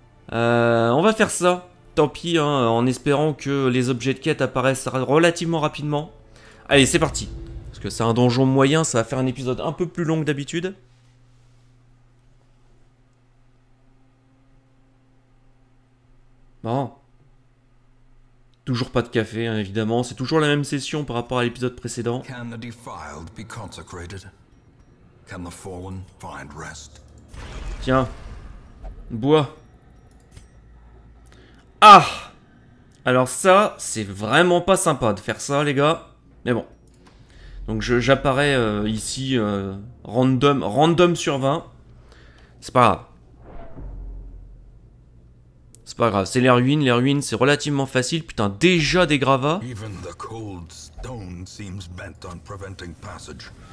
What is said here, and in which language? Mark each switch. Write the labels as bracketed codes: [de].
[fr] On va faire ça. Tant pis, hein, en espérant que les objets de quête apparaissent relativement rapidement. Allez, c'est parti. Parce que c'est un donjon moyen, ça va faire un épisode un peu plus long que d'habitude. Bon. Toujours pas de café, hein, évidemment. C'est toujours la même session par rapport à l'épisode précédent. [en] Can the defiled be consecrated? Can the fallen find rest? [fr] Tiens. Bois. Ah! Alors ça, c'est vraiment pas sympa de faire ça, les gars. Mais bon. Donc j'apparais ici, random sur 20. C'est pas grave. C'est pas grave, c'est les ruines, c'est relativement facile. Putain, déjà des gravats. [en] Even the cold stone seems bent on preventing passage.